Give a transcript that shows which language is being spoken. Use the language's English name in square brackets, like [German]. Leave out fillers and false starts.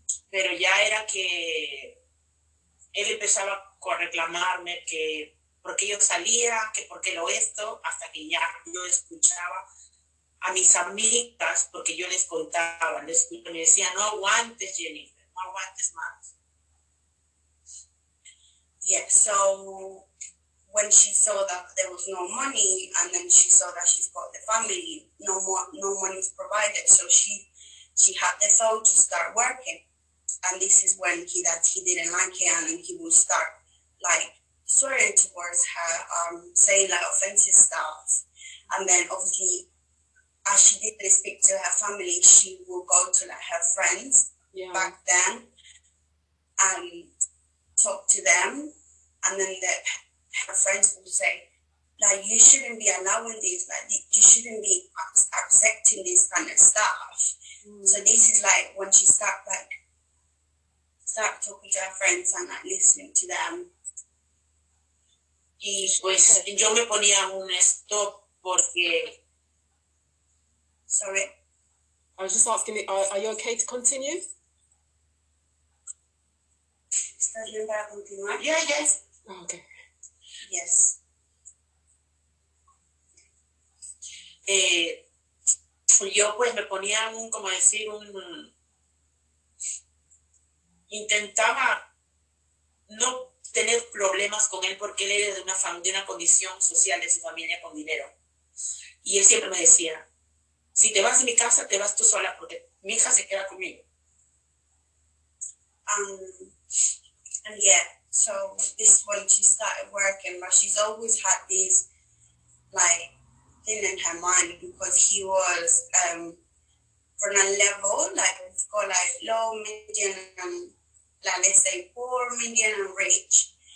[Spanish] Pero ya era que él empezaba a reclamarme que porque yo salía, que porque lo esto, hasta que ya yo escuchaba a mis amigas, porque yo les contaba, me decía no aguantes Jennifer, no aguantes más. [English] Yeah, so when she saw that there was no money and then she saw that she's got the family, no money is provided. So she had the thought to start working. And this is when he didn't like it and he would start like swearing towards her, saying like offensive stuff. And then obviously, as she didn't speak to her family, she would go to like her friends back then and talk to them. And then her friends would say, like, you shouldn't be allowing this, like, you shouldn't be accepting this kind of stuff. Mm. So this is like when she start talking to her friends and like listening to them. [Spanish] Y pues yo me ponía un stop porque... [English] Sorry? I was just asking, are you okay to continue? [Spanish] ¿Estás bien para continuar? [English] Yes. Okay. Yes. [Spanish] yo pues me ponía un, como decir, un, intentaba no tener problemas con él porque él era de una condición social de su familia con dinero. Y él siempre me decía, si te vas de mi casa, te vas tú sola porque mi hija se queda conmigo. [English] And yeah, so this when she started working, but she's always had this like thing in her mind because he was from a level like it's called like low, medium, and like let's say poor, medium, and rich.